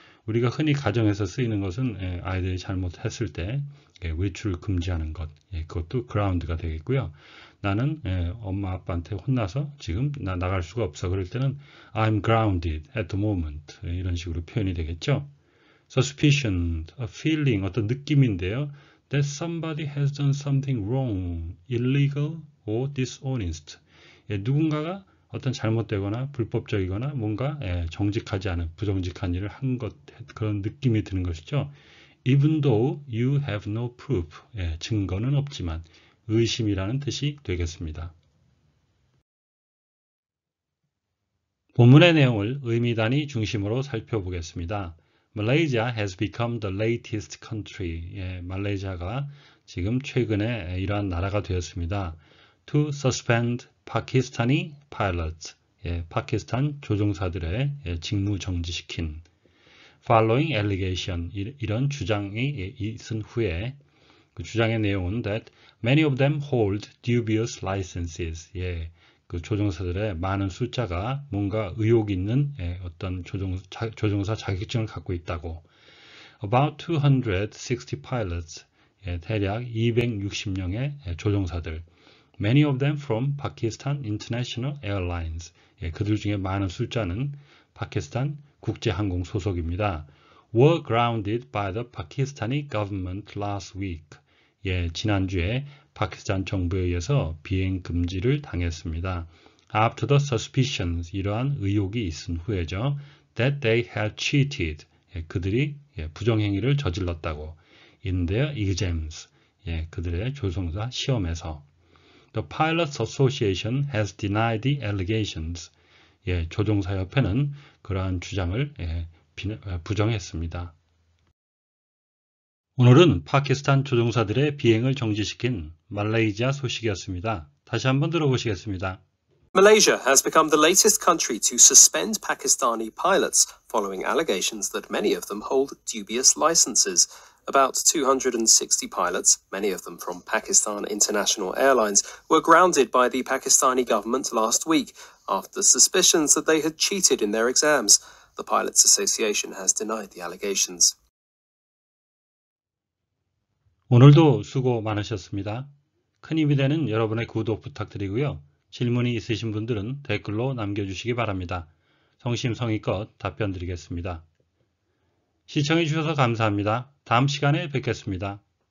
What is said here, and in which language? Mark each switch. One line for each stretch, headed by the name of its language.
Korean: 우리가 흔히 가정에서 쓰이는 것은 예, 아이들이 잘못했을 때 예, 외출을 금지하는 것, 예, 그것도 ground가 되겠고요. 나는 예, 엄마 아빠한테 혼나서 지금 나 나갈 수가 없어 그럴 때는
English: I'm grounded at the moment
Korean: 이런 식으로 표현이 되겠죠.
English: suspicion, a feeling,
Korean: 어떤 느낌인데요.
English: That somebody has done something wrong, illegal or dishonest.
Korean: 예, 누군가가 어떤 잘못되거나 불법적이거나 뭔가 예, 정직하지 않은 부정직한 일을 한 것, 그런 느낌이 드는 것이죠.
English: Even though you have no proof,
Korean: 예, 증거는 없지만 의심이라는 뜻이 되겠습니다. 본문의 내용을 의미 단위 중심으로 살펴보겠습니다.
English: Malaysia has become the latest country.
Korean: 예, 말레이시아가 지금 최근에 이러한 나라가 되었습니다.
English: To suspend Pakistani pilots.
Korean: 예, 파키스탄 조종사들의 예, 직무 정지시킨.
English: Following allegation.
Korean: 이런 주장이 예, 있은 후에 그 주장의 내용은
English: that many of them hold dubious licenses.
Korean: 예. 그 조종사들의 많은 숫자가 뭔가 의혹이 있는 예, 어떤 조종사 자격증을 갖고 있다고.
English: About 260 pilots,
Korean: 예, 대략 260명의 예, 조종사들.
English: Many of them from Pakistan International Airlines.
Korean: 예, 그들 중에 많은 숫자는 파키스탄 국제항공 소속입니다.
English: Were grounded by the Pakistani government last week.
Korean: 예, 지난주에 파키스탄 정부에 의해서 비행 금지를 당했습니다.
English: After the suspicions,
Korean: 이러한 의혹이 있은 후에죠.
English: That they had cheated,
Korean: 예, 그들이 예, 부정행위를 저질렀다고.
English: In their exams,
Korean: 예, 그들의 조종사 시험에서.
English: The Pilots Association has denied the allegations.
Korean: 예, 조종사 협회는 그러한 주장을 예, 부정했습니다. 오늘은 파키스탄 조종사들의 비행을 정지시킨 말레이시아 소식이었습니다. 다시 한번 들어보시겠습니다.
English: Malaysia has become the latest country to suspend Pakistani pilots following allegations that many of them hold dubious licenses. About 260 pilots, many of them from Pakistan International Airlines, were grounded by the Pakistani government last week after suspicions that they had cheated in their exams. The Pilots Association has denied the allegations.
Korean: 오늘도 수고 많으셨습니다. 큰 힘이 되는 여러분의 구독 부탁드리고요. 질문이 있으신 분들은 댓글로 남겨주시기 바랍니다. 성심성의껏 답변 드리겠습니다. 시청해 주셔서 감사합니다. 다음 시간에 뵙겠습니다.